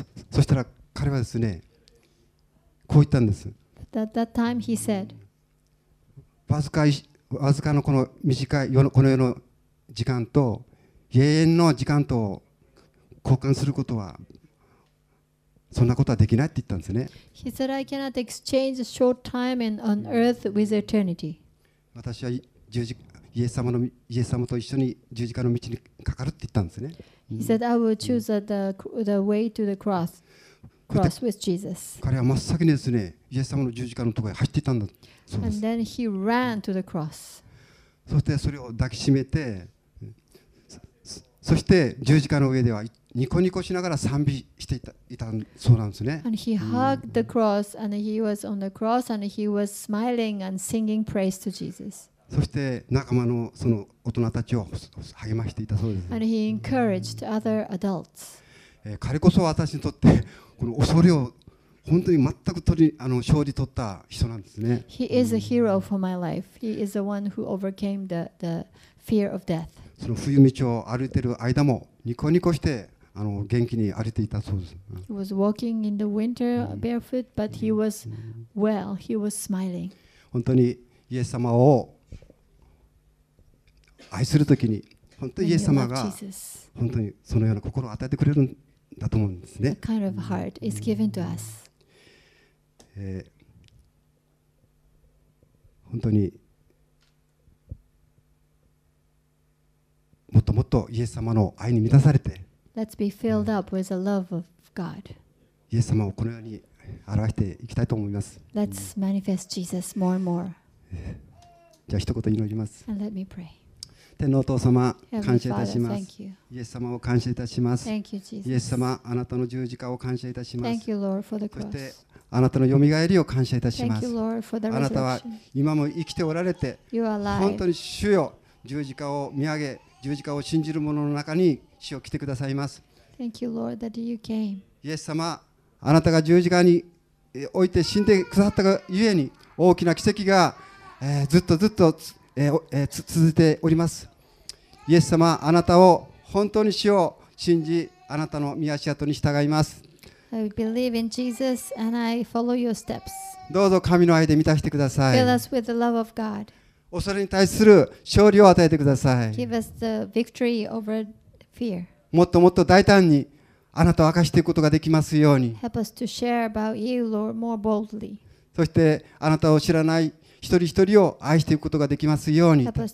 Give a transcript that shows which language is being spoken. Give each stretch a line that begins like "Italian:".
Japanese: そしたら彼はですね、こう言ったんです。
English: At that time he said,
Japanese: わずかのこの短い この世の時間と永遠の時間と交換することはそんなことはできないって言ったんですね。
English: He said, I cannot exchange a short time on earth with eternity.
Japanese: 私はイエス様と一緒に十字架の道にかかるって言ったんですね。
English: He said, I will choose the way to the cross with Jesus.
Japanese: 彼は真っ先にですね、イエス様の十字架のところへ走っていったんだ。
English: And then he ran to the cross.
Japanese: そしてそれを抱きしめて、そして十字架の上ではニコニコしながら賛美していたそうなんですね。
English: And he hugged the cross, and he was on the cross, and he was smiling and singing praise to Jesus.
Japanese: そして仲間のその大人たちを励ましていたそうです。
English: And he encouraged other adults.
Japanese: 彼こそ私にとってこの恐れを本当に全く取り勝利取った人なんですね。
English: He is a hero for my life. He is the one who overcame the fear of death.
Japanese: その冬道を歩いている間もニコニコして元気に歩いていたそうです。
English: He was walking in the winter barefoot, but he was well. He was smiling.
Japanese: 本当にイエス様を愛するときに本当にイエス様が本当にそのような心を与えてくれるんだと思うんですね。
English: A kind of heart is given to us.
Japanese: 本当にもっともっとイエス様の愛に満たされて、
English: Let's be filled up with the love of God.
Japanese: イエス様をこのように表していきたいと思います。
English: Let's manifest Jesus more and more.
Japanese: じゃあ一言祈ります。
English: And let me pray.
Japanese: 天のお父様、感謝いたします。イエス様を感謝いたします。イエス様、あなたの十字架を感謝いたします。そしてあなたのよみがえりを感謝いたします。あなたは今も生きておられて、本当に主よ、十字架を見上げ、十字架を信じる者の中に主よ来てくださいます。イエス様、あなたが十字架において死んでくださったがゆえに、大きな奇跡がずっとずっと続いております。イエス様、あなたを本当に主を信じ、あなたの御足跡に従います。
English: I believe in Jesus and I follow your steps.
Japanese: どうぞ神の愛で満たしてください。
English: Fill us with the love of God.
Japanese: 恐れに対する勝利を与えてください。
English: Give us the victory over fear.
Japanese: もっともっと大胆にあなたを明かしていくことができますように。
English: Help us to share about you, Lord, more boldly.
Japanese: そしてあなたを知らない一人一人を愛していくことができますように。